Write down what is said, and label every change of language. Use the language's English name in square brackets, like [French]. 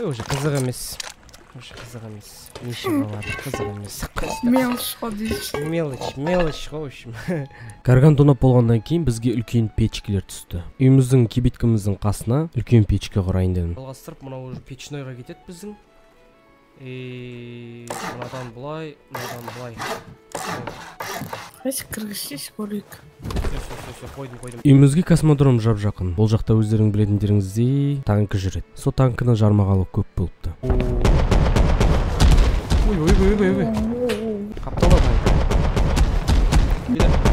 [Kazakh] Не уже қызық емес. Уже қызық емес. Еш болады, қызық емес. [Russian] Мелочь ходишь. [Kazakh] Мелочь, мелочь қойшым. Карган тонап болғаннан кейін бізге үлкен печкілер түсті. Үйіміздің кебеткіміздің қасына үлкен печке құрайын дедім. Жалғастырып мына уже печнойға кетеді біздің. И мынадан былай, мынадан былай. Қайсы кіргіште шығарайық? Все, қойдым, қойдым. Үйімізге космодром жап жақын. Бұл жақта өздерің білетіндеріңізде танкі жүреді. Сол танкіні жармағалы көп болыпты. Ой, ой, ой, ой, ой. Қаптала бай. Келі.